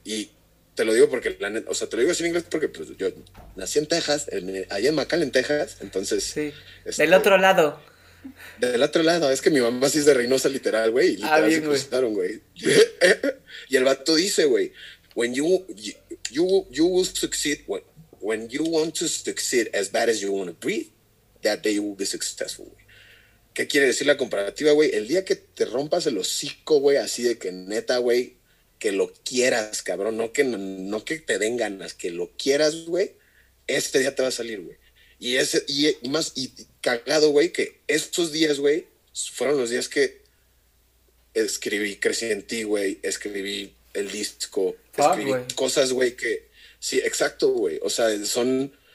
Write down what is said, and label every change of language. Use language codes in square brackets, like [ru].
[es] Y te lo digo porque, o sea, te lo digo así en inglés porque pues, yo nací en Texas, allá en McAllen, Texas, entonces... Sí, del otro lado. Del otro lado, es que mi mamá sí es de Reynosa, literal, güey, literal, se cruzaron, güey. Y el vato dice, güey, [en] when you will succeed, when you want to succeed as bad as you want to breathe, that day you will be successful, güey. [es] ¿Qué quiere decir la comparativa, güey? El día que te rompas el hocico, güey, así de que neta, güey, que lo quieras, cabrón, no que te den ganas, que lo quieras, güey, este día te va a salir, güey. Y cagado, güey, que estos días, güey, fueron los días que escribí Crecí en Ti, güey, escribí el disco, escribí cosas, güey, que... Sí, exacto, güey, o sea, son...